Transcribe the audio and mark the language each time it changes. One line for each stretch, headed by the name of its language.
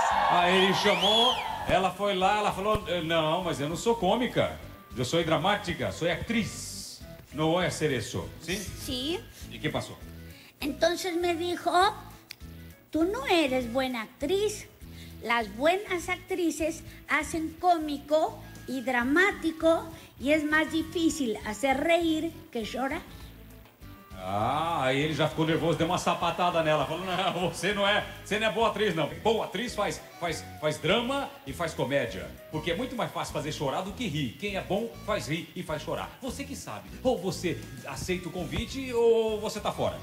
Portuguese: Aí ele chamou, ela foi lá, ela falou, não, mas eu não sou cômica, eu sou dramática, sou atriz, não é ser isso, sim? Sim. E o que passou?
Spanish: Então me dijo, tu não eres buena actriz. Las buenas actrices hacen cómico y dramático y es más difícil hacer reír que llorar.
Portuguese: Ah, aí ele já ficou nervoso, deu uma sapatada nela, falou, não, você não é boa atriz, não. Boa atriz faz drama e faz comédia, porque é muito mais fácil fazer chorar do que rir. Quem é bom faz rir e faz chorar. Você que sabe, ou você aceita o convite ou você tá fora.